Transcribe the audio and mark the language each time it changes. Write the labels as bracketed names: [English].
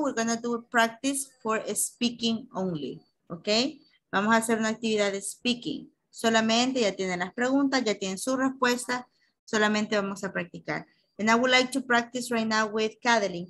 [English] We're going to do a practice for speaking only. [Spanish] Ok. Vamos a hacer una actividad de speaking. Solamente ya tienen las preguntas, ya tienen su respuesta. Solamente vamos a practicar. [English] And I would like to practice right now with Katherine.